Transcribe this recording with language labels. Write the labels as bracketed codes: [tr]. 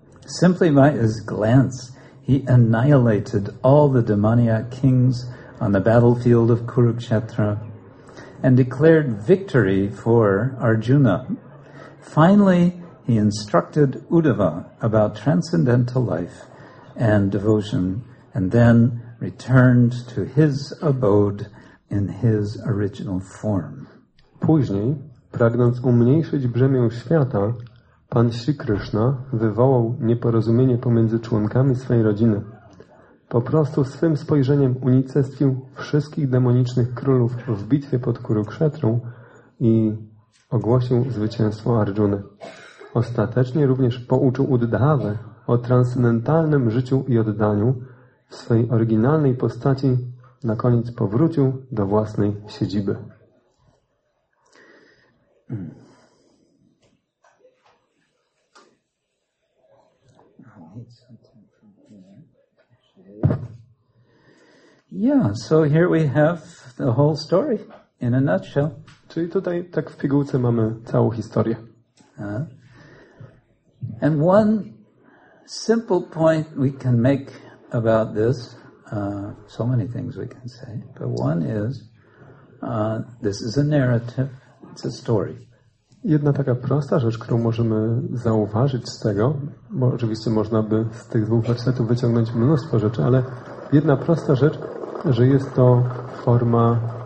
[en] Simply by his glance, he annihilated all the demoniac kings on the battlefield of Kurukshetra and declared victory for Arjuna. Finally, he instructed Uddhava about transcendental life and devotion, and then returned to his abode in his original form. [pl] Później, pragnąc umniejszyć brzemię świata, Pan Śri Kryszna wywołał nieporozumienie pomiędzy członkami swej rodziny. Po prostu swym spojrzeniem unicestwił wszystkich demonicznych królów w bitwie pod Kurukshetrą i ogłosił zwycięstwo Arjuny. Ostatecznie również pouczył Uddhavę o transcendentalnym życiu i oddaniu w swojej oryginalnej postaci, na koniec powrócił do własnej siedziby. [en] Yeah, so here we have the whole story in a nutshell. [pl] Czyli tutaj tak w pigułce mamy całą historię. [en] And one simple point we can make about this, so many things we can say, but one is, this is a narrative, it's a story. [pl] Jedna taka prosta rzecz, którą możemy zauważyć z tego, bo oczywiście można by z tych dwóch wersetów wyciągnąć mnóstwo rzeczy, ale jedna prosta rzecz, że jest to forma...